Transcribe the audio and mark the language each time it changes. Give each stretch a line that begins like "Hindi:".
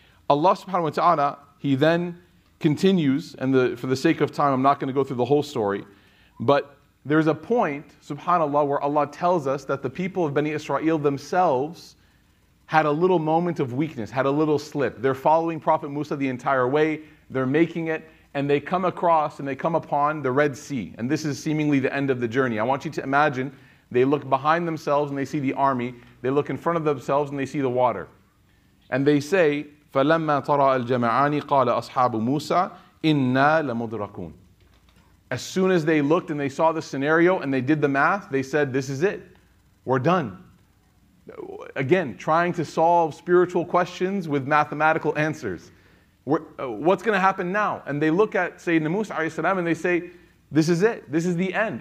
English: Allah subhanahu wa ta'ala, he then continues, and for the sake of time, I'm not going to go through the whole story, but there's a point, subhanAllah, where Allah tells us that the people of Bani Israel themselves had a little moment of weakness, had a little slip. They're following Prophet Musa the entire way, they're making it, and they come across and they come upon the Red Sea. And this is seemingly the end of the journey. I want you to imagine, they look behind themselves and they see the army. They look in front of themselves and they see the water. And they say,
Arabic: فَلَمَّا تَرَى الْجَمَعَانِ قَالَ أَصْحَابُ مُوسَى إِنَّا لَمُدْرَكُونَ.
English: As soon as they looked and they saw the scenario and they did the math, they said, this is it. We're done. Again, trying to solve spiritual questions with mathematical answers. What's going to happen now? And they look at Sayyidina Musa alayhi salam and they say, this is it. This is the end.